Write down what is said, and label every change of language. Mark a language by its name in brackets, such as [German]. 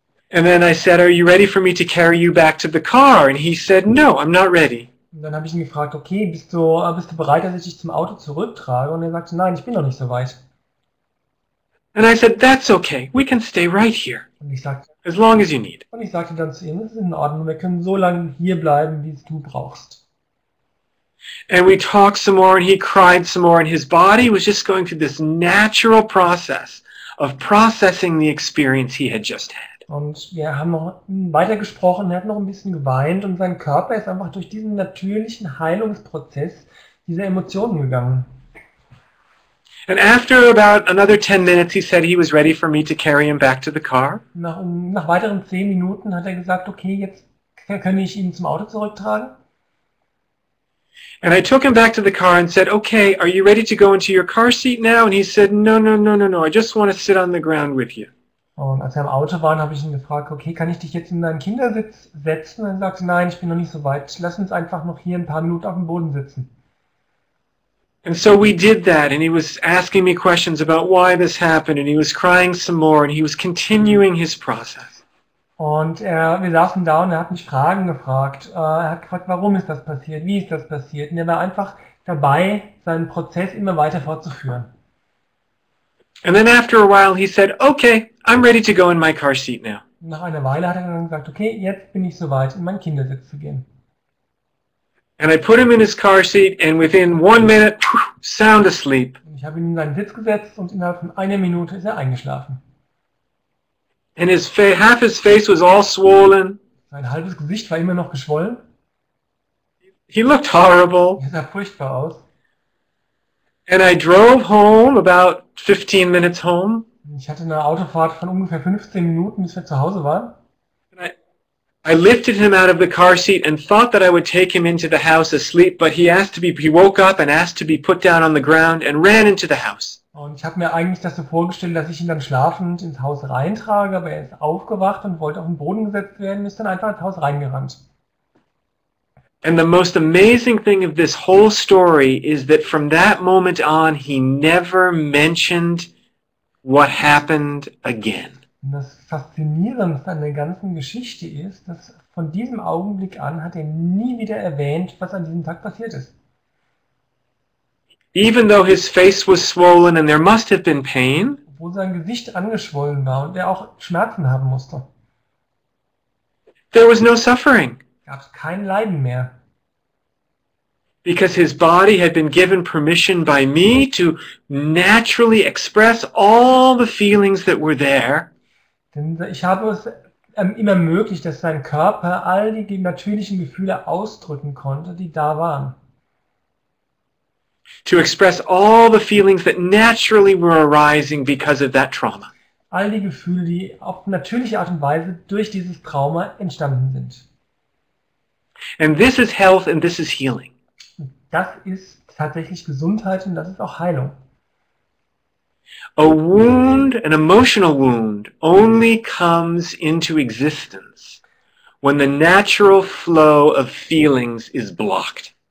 [English] And then I said, "Are you ready for me to carry you back to the car?" And he said, "No, I'm not ready." [German] Und dann habe ich ihn gefragt, okay, bist du bereit, dass ich dich zum Auto zurücktrage? Und er sagte, nein, ich bin noch nicht so weit. [English] And I said, "That's okay. We can stay right here. [German] Und ich sagte, [English] as long as you need." [German] Und ich sagte dann zu ihm, es ist in Ordnung, wir können so lange hier bleiben, wie es du brauchst. [English] And we talked some more, and he cried some more, and his body was just going through this natural process of processing the experience he had just had. [German] Und wir haben noch weiter gesprochen, er hat noch ein bisschen geweint, und sein Körper ist einfach durch diesen natürlichen Heilungsprozess dieser Emotionen gegangen. [English] And after about another 10 minutes he said he was ready for me to carry him back to the car. [German] Nach weiteren 10 Minuten hat er gesagt, okay, jetzt kann ich ihn zum Auto zurücktragen. [English] And I took him back to the car and said, "Okay, are you ready to go into your car seat now?" And he said, no, I just want to sit on the ground with you." [German] Und als wir im Auto waren, habe ich ihn gefragt, okay, kann ich dich jetzt in deinen Kindersitz setzen? Und er sagte, nein, ich bin noch nicht so weit. Lass uns einfach noch hier ein paar Minuten auf dem Boden sitzen. [English] And so we did that, and he was asking me questions about why this happened, and he was crying some more, and he was continuing his process. [German] Und wir saßen da, und er hat mich Fragen gefragt. Er hat gefragt, warum ist das passiert? Wie ist das passiert? Und er war einfach dabei, seinen Prozess immer weiter fortzuführen. [English] And then after a while he said, "Okay, I'm ready to go in my car seat now." [German] Nach einer Weile hat er dann gesagt, okay, jetzt bin ich soweit, in meinen Kindersitz zu gehen. [English] And I put him in his car seat, and within 1 minute, sound asleep. [German] Ich habe ihn in seinen Sitz gesetzt, und innerhalb von einer Minute ist er eingeschlafen. [English] And half his face was all swollen. [German] Sein halbes Gesicht war immer noch geschwollen. [English] He looked horrible. [German] Er sah furchtbar aus. [English] And I drove home about 15 minutes home. [German] Ich hatte eine Autofahrt von ungefähr 15 Minuten, bis wir zu Hause waren. [English] And I lifted him out of the car seat and thought that I would take him into the house asleep, but he woke up and asked to be put down on the ground and ran into the house. [German] Und ich habe mir eigentlich das so vorgestellt, dass ich ihn dann schlafend ins Haus reintrage, aber er ist aufgewacht und wollte auf den Boden gesetzt werden, ist dann einfach ins Haus reingerannt. [English] And the most amazing thing of this whole story is that from that moment on he never mentioned what happened again. [German] Und das Faszinierendste an der ganzen Geschichte ist, dass von diesem Augenblick an hat er nie wieder erwähnt, was an diesem Tag passiert ist. [English] Even though his face was swollen and there must have been pain, [German] obwohl sein Gesicht angeschwollen war und er auch Schmerzen haben musste. [English] There was no suffering. [German] Gab es kein Leiden mehr. [English] Because his body had been given permission by me to naturally express all the feelings that were there. [German] Denn ich habe es ihm ermöglicht, dass sein Körper all die natürlichen Gefühle ausdrücken konnte, die da waren. [English] To express all the feelings that naturally were arising because of that trauma. [German] All die Gefühle, die auf natürliche Art und Weise durch dieses Trauma entstanden sind. [English] And this is health and this is healing. [German] Das ist tatsächlich Gesundheit und das ist auch Heilung. [English] A wound, an emotional wound, only comes into existence when the natural flow of feelings is blocked.